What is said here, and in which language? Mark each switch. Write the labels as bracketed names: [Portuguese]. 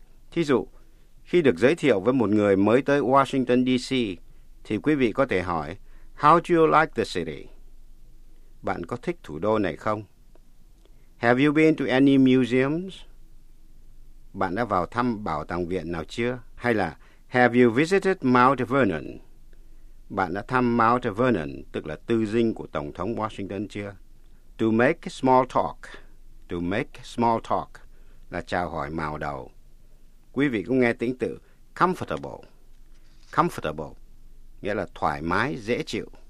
[Vietnamese] Thí dụ, khi được giới thiệu với một người mới tới Washington, D.C., thì quý vị có thể hỏi, [English] how do you like the city? [Vietnamese] Bạn có thích thủ đô này không? [English] Have you been to any museums? [Vietnamese] Bạn đã vào thăm bảo tàng viện nào chưa? Hay là, [English] have you visited Mount Vernon? [Vietnamese] Bạn đã thăm Mount Vernon, tức là tư dinh của Tổng thống Washington chưa? [English] To make small talk. To make small talk [Vietnamese] là chào hỏi mào đầu. Quý vị cũng nghe tiếng tự comfortable. Comfortable nghĩa là thoải mái, dễ chịu.